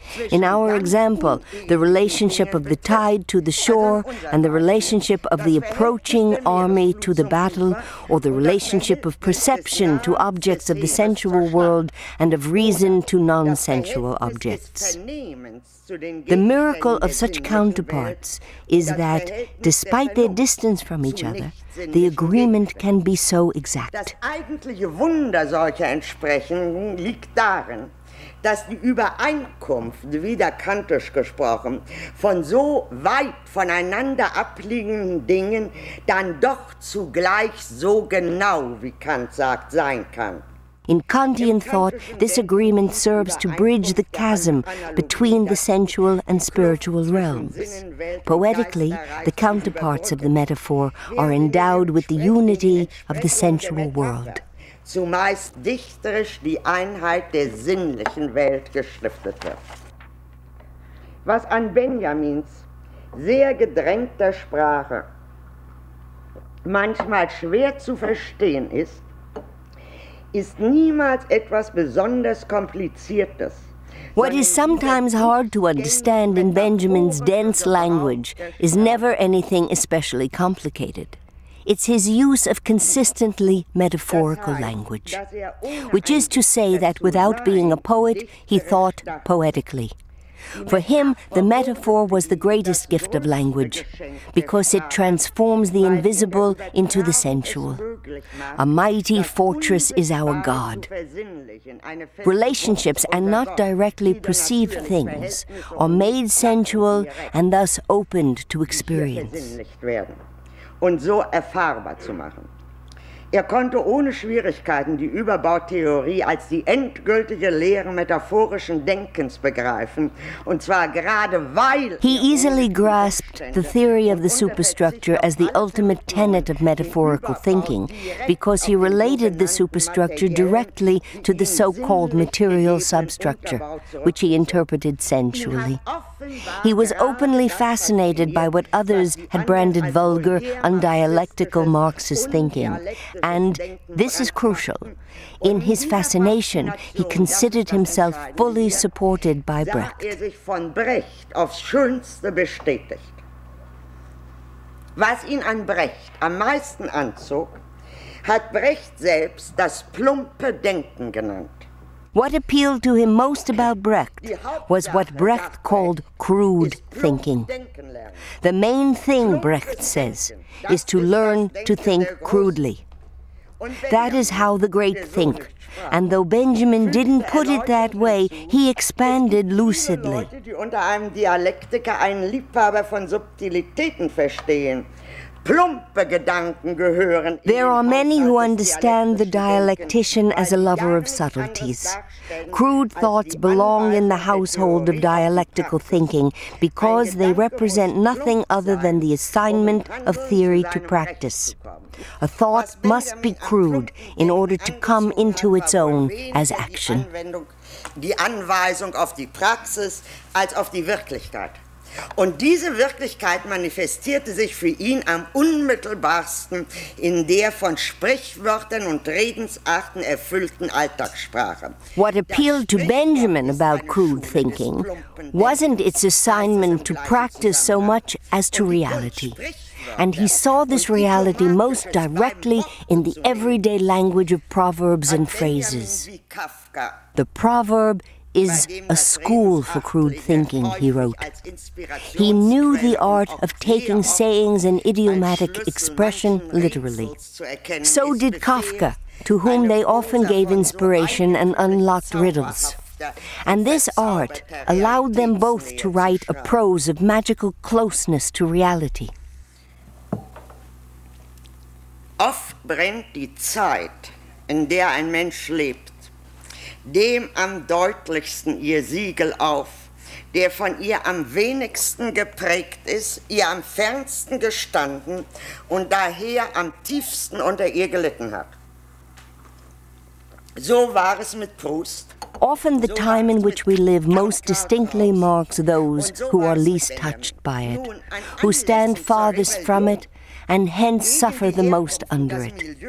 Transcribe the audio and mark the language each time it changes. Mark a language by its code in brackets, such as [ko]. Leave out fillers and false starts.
[en] In our example, the relationship of the tide to the shore and the relationship of the approaching army to the battle, or the relationship of perception to objects of the sensual world and of reason to non-sensual objects. The miracle of such counterparts is that, despite their distance from each other, the agreement can be so exact. [de] Das eigentliche Wunder solcher Entsprechungen liegt darin, dass die Übereinkunft, wieder kantisch gesprochen, von so weit voneinander abliegenden Dingen dann doch zugleich so genau, wie Kant sagt, sein kann. [en] In Kantian thought, this agreement serves to bridge the chasm between the sensual and spiritual realms. Poetically, the counterparts of the metaphor are endowed with the unity of the sensual world. [de] Zumeist dichterisch die Einheit der sinnlichen Welt gestiftet wird. Was an Benjamins sehr gedrängter Sprache manchmal schwer zu verstehen ist, ist niemals etwas besonders Kompliziertes. [en] What is sometimes hard to understand in Benjamin's dense language is never anything especially complicated. It's his use of consistently metaphorical language, which is to say that without being a poet, he thought poetically. For him, the metaphor was the greatest gift of language, because it transforms the invisible into the sensual. A mighty fortress is our God. Relationships and not directly perceived things are made sensual and thus opened to experience. [de] Und so erfahrbar zu machen. Konnte ohne Schwierigkeiten die Überbautheorie als die endgültige Lehre metaphorischen Denkens begreifen, und zwar gerade weil... [en] He easily grasped the theory of the superstructure as the ultimate tenet of metaphorical thinking, because he related the superstructure directly to the so-called material substructure, which he interpreted sensually. He was openly fascinated by what others had branded vulgar, undialectical Marxist thinking. And this is crucial. In his fascination, he considered himself fully supported by Brecht. [de] Er sich von Brecht aufs Schönste bestätigt. Was ihn an Brecht am meisten anzog, hat Brecht selbst das plumpe Denken genannt. [en] What appealed to him most about Brecht was what Brecht called crude thinking. The main thing, Brecht says, is to learn to think crudely. That is how the great think. And though Benjamin didn't put it that way, he expanded lucidly. [de] Unter einem Dialektiker ein Liebhaber von Subtilitäten verstehen. [en] There are many who understand the dialectician as a lover of subtleties. Crude thoughts belong in the household of dialectical thinking because they represent nothing other than the assignment of theory to practice. A thought must be crude in order to come into its own as action. [de] Die Anweisung auf die Praxis als auf die Wirklichkeit. Und diese Wirklichkeit manifestierte sich für ihn am unmittelbarsten in der von Sprichwörtern und Redensarten erfüllten Alltagssprache. [en] What appealed to Benjamin about crude thinking wasn't its assignment to practice so much as to reality. And he saw this reality most directly in the everyday language of proverbs and phrases. The proverb is a school for crude thinking, he wrote. He knew the art of taking sayings and idiomatic expression literally. So did Kafka, to whom they often gave inspiration and unlocked riddles. And this art allowed them both to write a prose of magical closeness to reality. [de] Oft brennt die Zeit, in der ein Mensch lebt, dem am deutlichsten ihr Siegel auf, der von ihr am wenigsten geprägt ist, ihr am fernsten gestanden und daher am tiefsten unter ihr gelitten hat. So war es mit Proust. [en] Often the time in which we live most distinctly marks those who are least touched by it, who stand farthest from it, and hence suffer the most under it.